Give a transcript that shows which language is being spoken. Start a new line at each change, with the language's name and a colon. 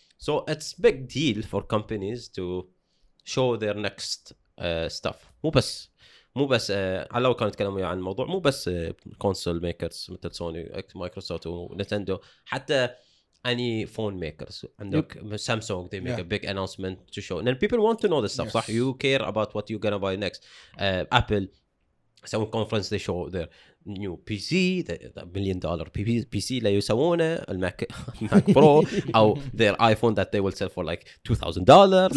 English: So it's big deal for companies to show their next stuff.
Arabic: مو بس على لو كانوا يتكلموا عن الموضوع, مو بس
English: console makers
Arabic: مثل سوني مايكروسوفت ونينتندو, حتى
English: any phone makers
Arabic: عندك.
English: Yep. Samsung, they make a big announcement to show, and then people want to know the stuff. Yes. صح, you care about what you're gonna buy next. Apple, some conference they show their new PC, the $1 million PC
Arabic: اللي يسوونه, الماك برو أو
English: their iPhone that they will sell for like $2,000.